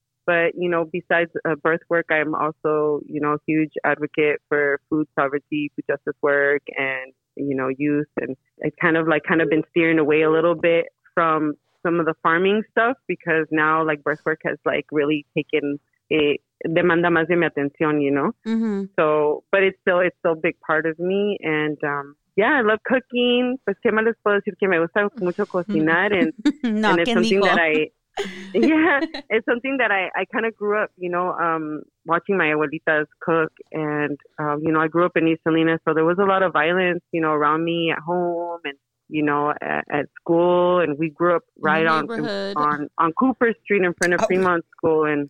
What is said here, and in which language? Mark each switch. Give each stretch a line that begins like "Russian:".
English: But, you know, besides birth work, I'm also, you know, a huge advocate for food sovereignty, food justice work, and, you know, youth. And I kind of been steering away a little bit from some of the farming stuff because now like birth work has like really taken it, demanda más de mi atención, you know? Mm-hmm. So, but it's still a big part of me. And yeah, I love cooking.
Spanish: Pues qué más les puedo decir que me gusta mucho cocinar.
English: And, no, and it's something dijo? That I, yeah, it's something that I kind of grew up, you know, watching my abuelitas cook. And, you know, I grew up in East Salinas, so there was a lot of violence, you know, around me at home and, you know, at school. And we grew up right on Cooper Street in front of Fremont School. And